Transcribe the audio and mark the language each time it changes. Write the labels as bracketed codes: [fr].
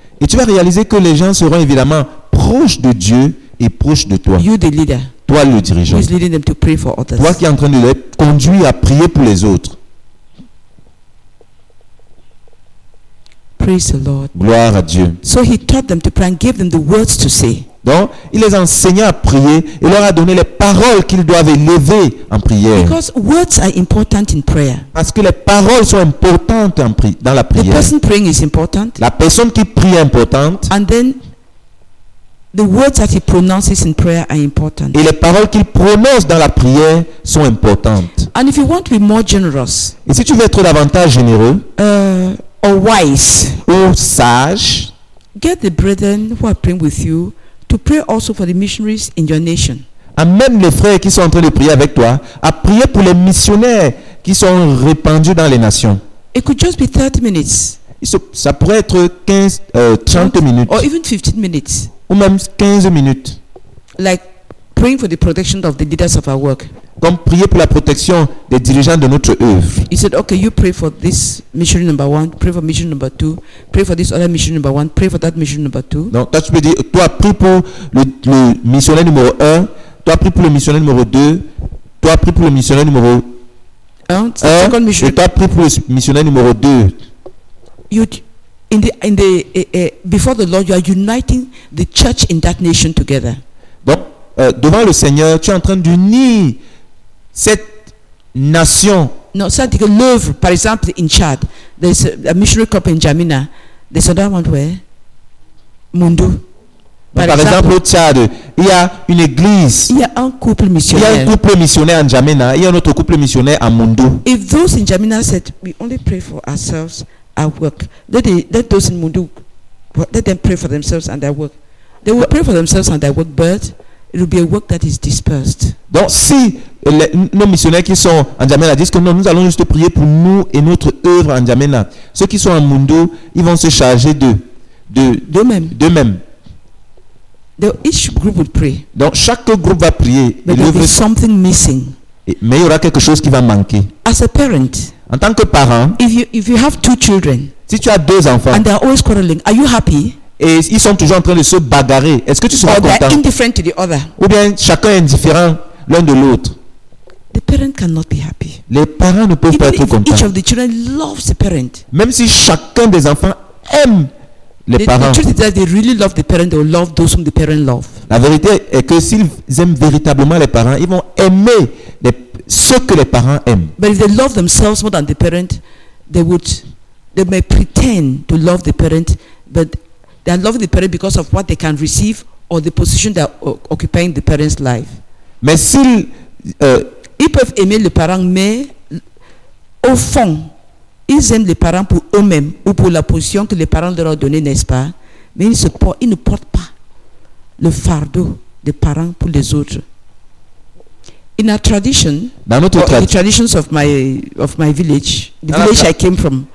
[fr] Et tu vas réaliser que les gens seront évidemment proches de Dieu et proches de toi. [en] You the leader. [fr] Toi le dirigeant. [en] Who is leading them to pray for others. [fr] Toi qui es en train de les conduire à prier pour les autres. [en] Praise the Lord. [fr] Gloire à Dieu. [en] So he taught them to pray and gave them the words to say. [fr] Donc, il les enseigna à prier et leur a donné les paroles qu'ils doivent élever en prière. [en] Because words are important in prayer. [fr] Parce que les paroles sont importantes dans la prière. [en] The person praying is important. [fr] La personne qui prie est importante. [en] And then, the words that he pronounces in prayer are important. [fr] Et les paroles qu'il prononce dans la prière sont importantes. [en] And if you want to be more generous, [fr] et si tu veux être davantage généreux, [en] or wise, [fr] ou sage, [en] get the brethren who are praying with you to pray also for the missionaries in your nation. [fr] Amène les frères qui sont en train de prier avec toi à prier pour les missionnaires qui sont répandus dans les nations. [en] It could just be 30 minutes. [fr] Ça pourrait être 30 minutes. [en] Or even 15 minutes. [fr] Ou même 15 minutes. [en] Like praying for the protection of the leaders of our work. [fr] Comme prier pour la protection des dirigeants de notre œuvre. [en] He said, okay, you pray for this mission number one, pray for mission number two, pray for this other mission number one, pray for that mission number two. [fr] Donc, toi, tu peux dire, toi, prie pour le missionnaire numéro un, toi, prie pour le missionnaire numéro deux, toi, prie pour le missionnaire numéro un, et toi, prie pour le missionnaire numéro deux. [en] Before the Lord, you are uniting the church in that nation together. [fr] Donc, devant le Seigneur, tu es en train d'unir cette nation. Non, ça veut dire que l'œuvre, par exemple, [en] in Chad, there's a missionary couple in Jamina. There's another one where? Mundu. [fr] Par exemple, au Tchad, il y a une église. Il y a un couple missionnaire. Il y a un couple missionnaire en Jamina. Il y a un autre couple missionnaire à Mundu. [en] If those in Jamina said, we only pray for ourselves at work, let those in Mundu let them pray for themselves and their work. They will pray for themselves and their work, but it will be a work that is dispersed. [fr] Donc, si les, nos missionnaires qui sont en Djamena disent que non, nous allons juste prier pour nous et notre œuvre en Djamena, ceux qui sont en Mundo, ils vont se charger d'eux-mêmes. [en] Each group would pray. [fr] Donc, chaque groupe va prier. [en] But there will be something missing. [fr] Mais il y aura quelque chose qui va manquer. [en] As a parent, [fr] en tant que parent, [en] if you have two children, [fr] si tu as deux enfants, [en] and they are always quarreling, are you happy? [fr] Et ils sont toujours en train de se bagarrer. Est-ce que tu seras content? [en] They are indifferent to the other. [fr] Ou bien chacun est indifférent l'un de l'autre. [en] The parent cannot be happy. [fr] Les parents ne peuvent [en] Even [fr] pas être contents. [en] Each of the children loves the parent. [fr] Même si chacun des enfants aime les parents. [en] The truth is that they really love the parent, they will love those whom the parent love. [fr] La vérité est que s'ils aiment véritablement les parents, ils vont aimer ceux que les parents aiment. [en] But if they love themselves more than the parent, they may pretend to love the parent, but they are loving the parent because of what they can receive or the position they are occupying the parent's life. [fr] Mais s'ils ils peuvent aimer le parent, mais au fond, ils aiment les parents pour eux-mêmes ou pour la position que les parents leur ont donnée, n'est-ce pas? Mais ils ne portent pas le fardeau des parents pour les autres. [en] In our tradition, [fr] dans notre [en] the traditions of my village, the dans village I came from,